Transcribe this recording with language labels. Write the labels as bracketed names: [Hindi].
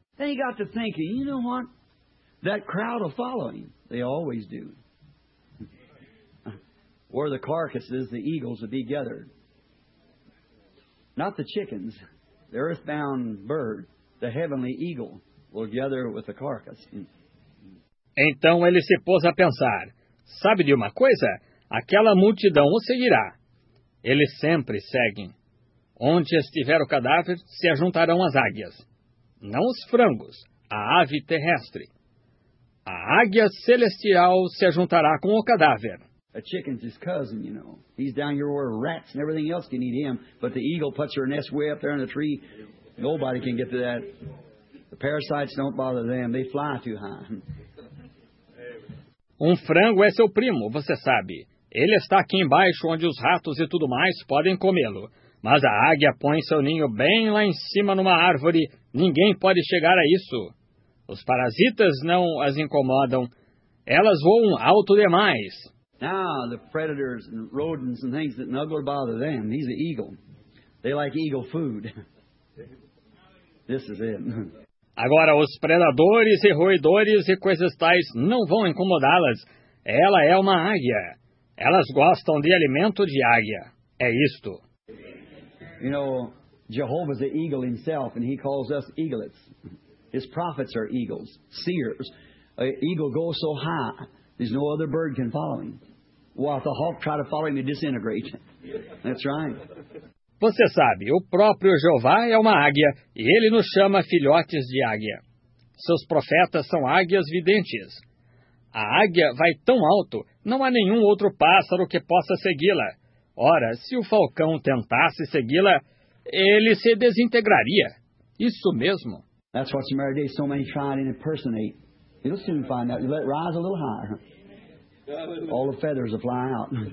[English] Then he got to thinking, you know what? That crowd will follow him. They always do. Where the carcasses, the eagles will be gathered. Not the chickens, the earthbound bird, the heavenly eagle will gather with the carcass. [Portuguese] Então ele se pôs a pensar, sabe de uma coisa? Aquela multidão o seguirá. Eles sempre seguem. Onde estiver o cadáver, se ajuntarão as águias. Não os frangos, a ave terrestre. A águia celestial se ajuntará com o cadáver. [English] A chicken's his cousin, you know. He's down here where rats and everything else can eat him. But the eagle puts her nest way up there in the tree. Nobody can get to that. The parasites don't bother them. They fly too high. [Portuguese] Frango é seu primo, você sabe. Ele está aqui embaixo, onde os ratos e tudo mais podem comê-lo. Mas a águia põe seu ninho bem lá em cima numa árvore. Ninguém pode chegar a isso. Os parasitas não as incomodam. Elas voam alto demais. [English] Now, the predators and rodents and things that never bother them, he's an eagle. They like eagle food. This is it. [Portuguese] Agora, os predadores e roedores e coisas tais não vão incomodá-las. Ela é uma águia. Elas gostam de alimento de águia. É isto. [English] You know, Jehovah's the eagle himself, and he calls us eaglets. His prophets are eagles, seers. An eagle goes so high, there's no other bird can follow him. Well, if the hawk try to follow him, he disintegrates. That's right. [Portuguese] Você sabe, o próprio Jeová é uma águia, e ele nos chama filhotes de águia. Seus profetas são águias videntes. A águia vai tão alto, não há nenhum outro pássaro que possa segui-la. Ora, se o falcão tentasse segui-la, ele se desintegraria. Isso mesmo. [English] That's what Samaria did, so many tried to impersonate. You'll soon find out. You let it rise a little higher. All the feathers will fly out.